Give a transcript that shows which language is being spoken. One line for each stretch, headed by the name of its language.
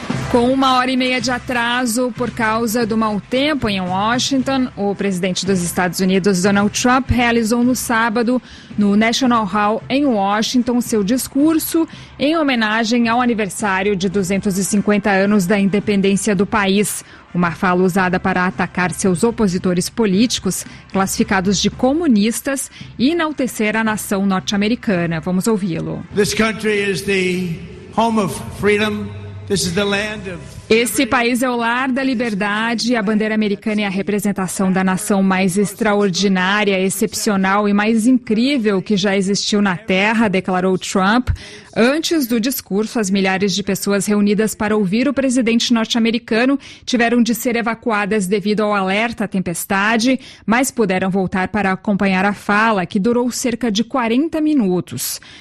Portuguese: Com uma hora e meia de atraso por causa do mau tempo em Washington, o presidente dos Estados Unidos, Donald Trump, realizou no sábado, no National Hall, em Washington, seu discurso em homenagem ao aniversário de 250 anos da independência do país. Uma fala usada para atacar seus opositores políticos, classificados de comunistas, e enaltecer a nação norte-americana. Vamos ouvi-lo.
English: This country is the home of freedom. This is the land of
Portuguese: Esse país é o lar da liberdade, a bandeira americana é a representação da nação mais extraordinária, excepcional e mais incrível que já existiu na Terra, declarou Trump. Antes do discurso, as milhares de pessoas reunidas para ouvir o presidente norte-americano tiveram de ser evacuadas devido ao alerta à tempestade, mas puderam voltar para acompanhar a fala, que durou cerca de 40 minutos.